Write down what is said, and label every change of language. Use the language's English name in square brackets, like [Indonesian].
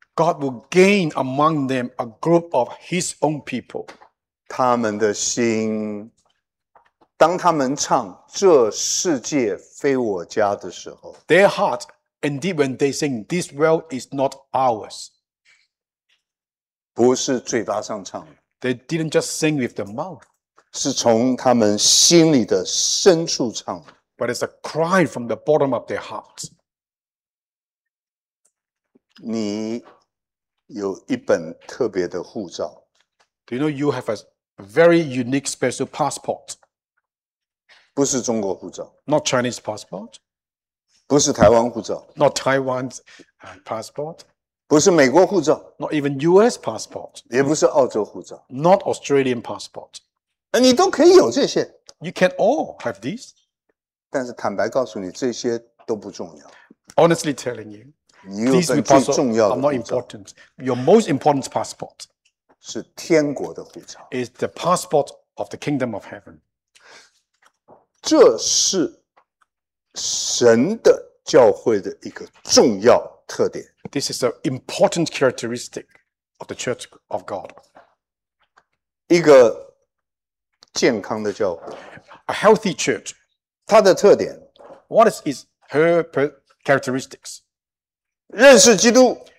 [English] God will gain among them a group of His own people. [Chinese] 他们的心，当他们唱"这世界非我家"的时候， [English] Their heart, indeed, when they sing, "This world is not ours," [Chinese] 不是嘴巴上唱的。 [English] They didn't just sing with the mouth. [Chinese] 是从他们心里的深处唱的。 [English] But it's a cry from the bottom of their hearts. [Chinese] 你有一本特别的护照。 [English] Do you know you have a very unique special passport? [Chinese] 不是中国护照。 [English] Not Chinese passport. [Chinese] 不是台湾护照。 [English] Not Taiwan's passport. [Chinese] 不是美国护照。 [English] Not even US passport. [Chinese] 也不是澳洲护照。 [English] Not Australian passport. [Chinese] 你都可以有这些。 [English] You can all have these. [Chinese] 但是坦白告诉你，这些都不重要。 [English] Honestly telling you, these passports are not important. Your most important passport [Chinese] 是天国的护照。 [English] Is the passport of the kingdom of heaven. [Chinese] 这是神的教会的一个重要特点。 [English] This is an important characteristic of the church of God. [Chinese] 一个健康的教会。 [English] A healthy church. [Chinese] 它的特点, [English] what is her characteristics? [Chinese] 认识基督,